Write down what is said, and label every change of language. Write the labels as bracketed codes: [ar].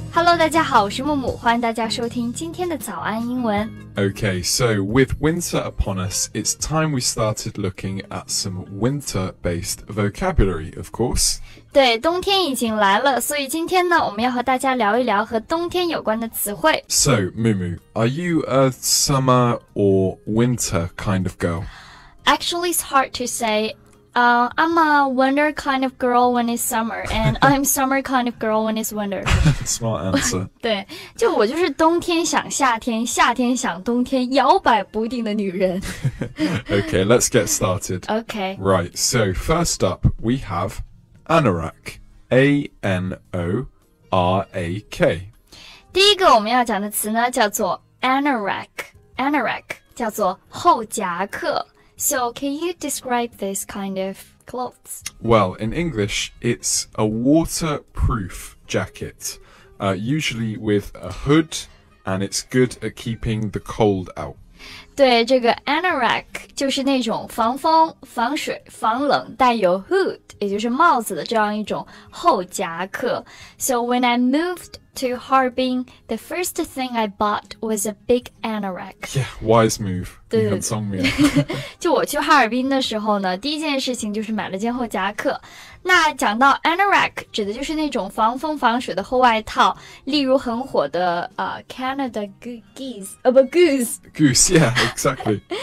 [en] Hello, [zh] 大家好，我是木木，欢迎大家收听今天的早安英文。 [en] Okay, so with winter upon us, it's time we started looking at some winter-based vocabulary, of course. [zh] 对，冬天已经来了，所以今天呢，我们要和大家聊一聊和冬天有关的词汇。 [en] So, Mumu, are you a summer or winter kind of girl? Actually, it's hard to say. I'm a winter kind of girl when it's summer, and I'm summer kind of girl when it's winter. Smart answer. [zh] 对，就我就是冬天想夏天，夏天想冬天，摇摆不定的女人。 [en] Okay, let's get started. Okay. Right, so first up, we have anorak. A-N-O-R-A-K. [zh] 第一个我们要讲的词呢，叫做 anorak. Anorak, 叫做厚夹克。 [en] So, can you describe this kind of clothes? Well, in English, it's a waterproof jacket, usually with a hood, and it's good at keeping the cold out. [zh] 对，这个 anorak 就是那种防风、防水、防冷，带有 hood， 也就是帽子的这样一种厚夹克。 [en] So, when I moved to Harbin, the first thing I bought was a big anorak. Yeah, wise move. [zh] 对，你很聪明。就我去哈尔滨的时候呢，第一件事情就是买了件厚夹克。那讲到 anorak， 指的就是那种防风防水的厚外套，例如很火的Canada Goose. [en] Yeah, exactly.